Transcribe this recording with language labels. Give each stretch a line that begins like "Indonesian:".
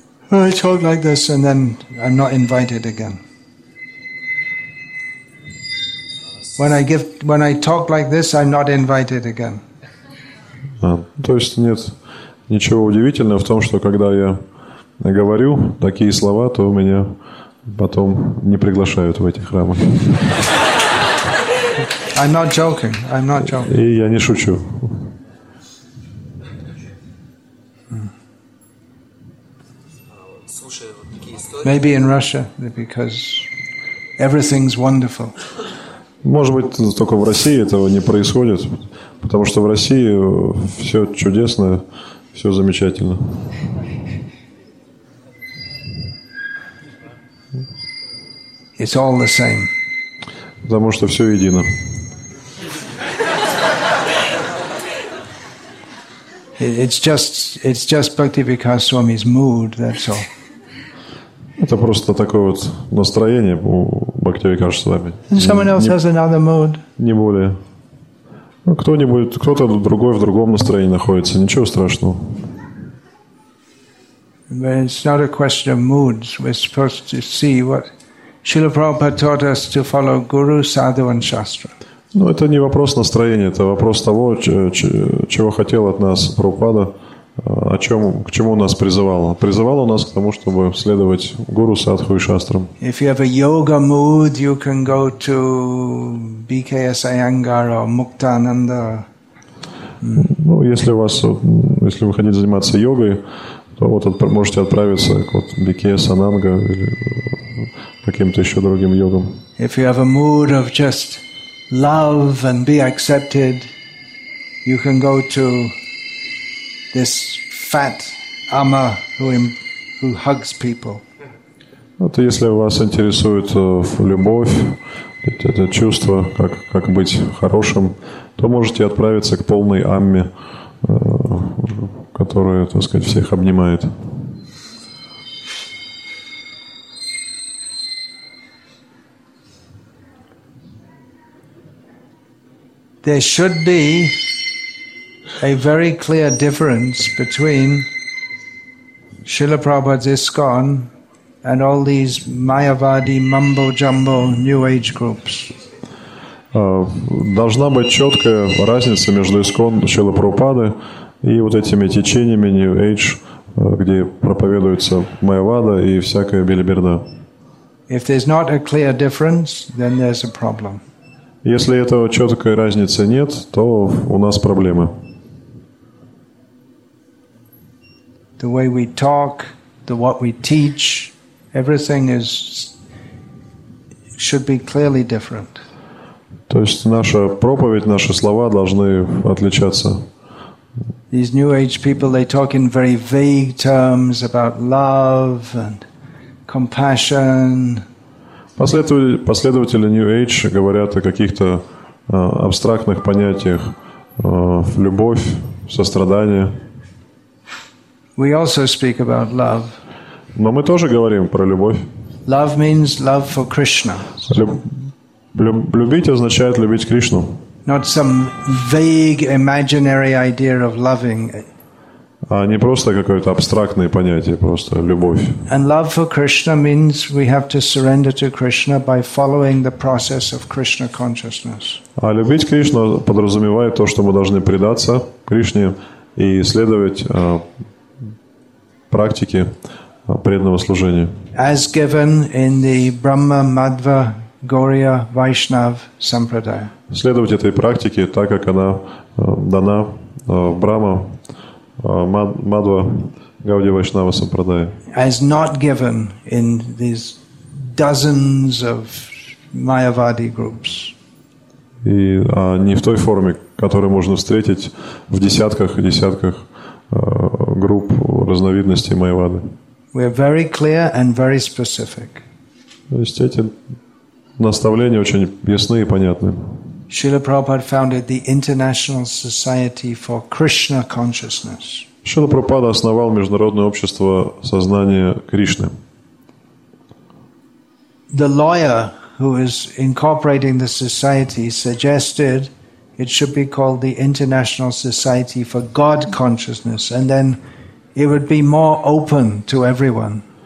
English: I talk like this and then I'm not invited again. When I talk like this, I'm not invited again.
Russian: То есть нет ничего удивительного в том, что когда я говорю такие слова, то меня потом не приглашают в эти храмы.
English: I'm not joking.
Russian: И я не шучу.
English: Maybe in Russia, because everything's wonderful.
Russian: Может быть, только в России этого не происходит, потому что в России все чудесно, все замечательно.
English: It's all the same.
Russian: Потому что все едино.
English: It's just Bhakti Vikas Swami's mood, that's all.
Russian: Это просто такое вот настроение у Бхактивиканта Сарасвати.
English: And someone else has another mood.
Russian: Не более. Ну, кто-нибудь, кто-то другой в другом настроении находится. Ничего страшного.
English: But it's not a question of moods. We're supposed to see what Srila Prabhupada taught us to follow Guru, Sadhu and Shastra.
Russian: Ну, это не вопрос настроения, это вопрос того, чего хотел от нас Прабхупада, о чем, к чему нас призывало. Призывало нас к тому, чтобы следовать Гуру, Садху и Шастрам.
English: If you have a yoga mood, you can go to BKS Iyengar or Muktananda.
Russian: Ну, если у вас, если вы хотите заниматься йогой, то вот можете отправиться к вот BKS Ananga или каким-то еще другим йогам.
English: If you have a mood of just love and be accepted, you can go to this fat ama who hugs people.
Russian: Вот если вас интересует любовь, это чувство, как быть хорошим, то можете отправиться к полной амме, которая, так сказать, всех обнимает.
English: There should be a very clear difference between Srila Prabhupada's ISKCON and all these Mayavadi mumbo jumbo new age groups.
Russian: Должна быть четкая разница между ISKCON Шрилы Прабхупады и вот этими течениями new age, где проповедуется майявада и всякая билиберда.
English: If there's not a clear difference, then there's a problem.
Russian: Если этого четкой разницы нет, то у нас проблемы.
English: The way we talk, the what we teach, everything is should be clearly different.
Russian: То есть наша проповедь, наши слова должны отличаться.
English: These new age people, they talk in very vague terms about love and compassion.
Russian: Последователи New Age говорят о каких-то абстрактных понятиях любовь, сострадание.
English: We also speak about love.
Russian: Но мы тоже говорим про любовь.
English: Love means love for Krishna.
Russian: Любить означает любить Кришну.
English: Not some vague imaginary idea of loving.
Russian: А не просто какое-то абстрактное понятие, просто любовь.
English: And love for Krishna means we have to surrender to Krishna by following the process of Krishna consciousness.
Russian: А любить Кришну подразумевает то, что мы должны предаться Кришне и следовать практике преданного служения.
English: As given in the Brahma Madhva Gaurya Vaishnav Sampradaya.
Russian: Следовать этой практике так, как она дана в Брахма Мадва Гауди Вайшнава Сампрадая.
English: As not given in these dozens of Mayavadi groups.
Russian: И не в той форме, которую можно встретить в десятках и десятках групп разновидностей Майявады.
English: We are very clear and very specific.
Russian: То есть эти наставления очень ясны и понятны.
English: Srila Prabhupada founded the International Society for Krishna Consciousness.
Russian: Шрила Прабхупада основал Международное общество сознания Кришны.
English: The lawyer who is incorporating the society suggested it should be called the International Society for God Consciousness, and then it would be more open to everyone.